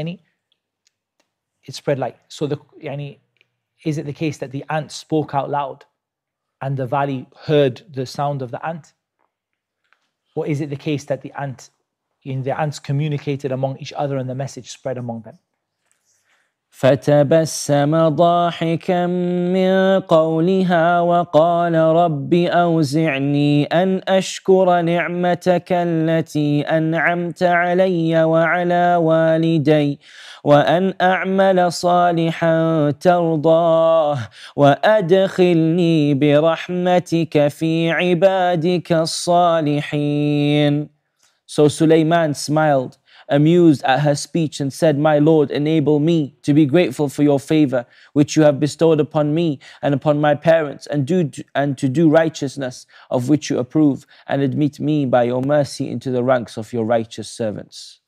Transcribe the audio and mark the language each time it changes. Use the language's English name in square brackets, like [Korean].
[English] It spread light. So is it the case that the ant spoke out loud and the valley heard the sound of the ant? Or is it the case that the ants communicated among each other and the message spread among them? [Arabic] فتبسم ضاحكا من قولها وقال ربي أوزعني أن أشكر نعمتك التي أنعمت علي وعلى والدي وأن أعمل صالحا ترضاه وأدخلني برحمتك في عبادك الصالحين. [English] So Sulaiman smiled, amused at her speech, and said, My Lord, enable me to be grateful for your favor, which you have bestowed upon me and upon my parents, and to do righteousness of which you approve, and admit me by your mercy into the ranks of your righteous servants.